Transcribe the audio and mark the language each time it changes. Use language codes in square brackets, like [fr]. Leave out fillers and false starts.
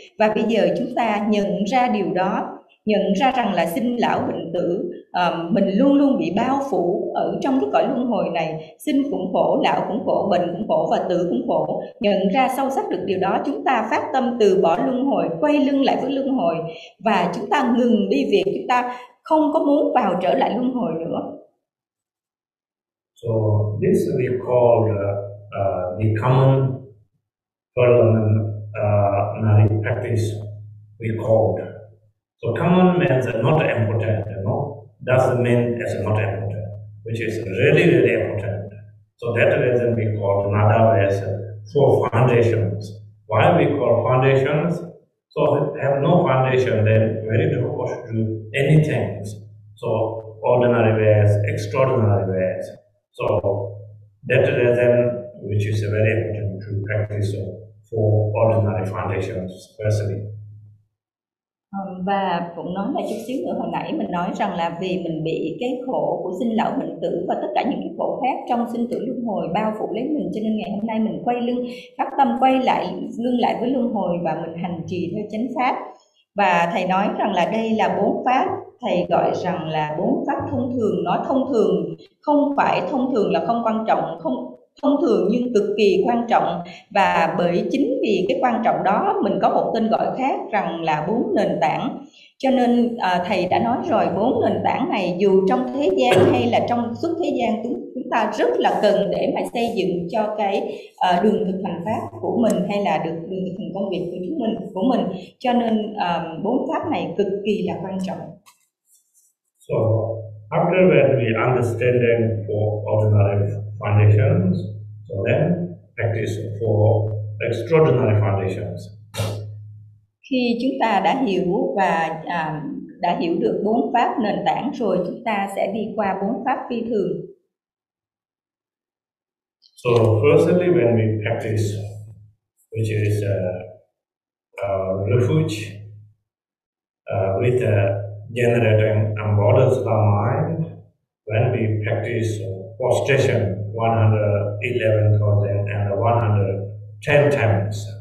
[vi] Và bây giờ chúng ta nhận ra điều đó, nhận ra rằng là sinh lão bệnh tử, mình luôn luôn bị bao phủ ở trong cái cõi luân hồi này, sinh cũng khổ, lão cũng khổ, bệnh cũng khổ và tử cũng khổ. Nhận ra sâu sắc được điều đó, chúng ta phát tâm từ bỏ luân hồi, quay lưng lại với luân hồi, và chúng ta ngừng đi việc chúng ta không có muốn vào trở lại luân hồi nữa. [en] So this we call the common preliminary practice we called. So common means not important, you know, doesn't mean it's not important, which is really, really important. So that reason we call another as four foundations. Why we call foundations? So if you have no foundation, then very difficult to do anything. So ordinary ways, extraordinary ways. So that reason, which is very important to practice four ordinary foundations, firstly. [vi] Và cũng nói lại chút xíu nữa, hồi nãy mình nói rằng là vì mình bị cái khổ của sinh lão bệnh tử và tất cả những cái khổ khác trong sinh tử luân hồi bao phủ lấy mình, cho nên ngày hôm nay mình quay lưng, phát tâm quay lại lưng lại với luân hồi và mình hành trì theo chánh pháp. Và thầy nói rằng là đây là bốn pháp, thầy gọi rằng là bốn pháp thông thường. Nói thông thường không phải thông thường là không quan trọng, không thông thường nhưng cực kỳ quan trọng. Và bởi chính vì cái quan trọng đó, mình có một tên gọi khác rằng là bốn nền tảng. Cho nên thầy đã nói rồi, bốn nền tảng này dù trong thế gian hay là trong suốt thế gian, chúng ta rất là cần để mà xây dựng cho cái đường thực hành pháp của mình, hay là được đường thực hành công việc của chúng mình, của mình. Cho nên bốn pháp này cực kỳ là quan trọng. [en] So after when we understand them for ordinary foundations, so then practice for extraordinary foundations. [vi] Khi chúng ta đã hiểu và đã hiểu được bốn pháp nền tảng rồi, chúng ta sẽ đi qua bốn pháp phi thường. [en] So firstly, when we practice, which is refuge with generating unbothered mind, when we practice prostration 111,000 and 110 times,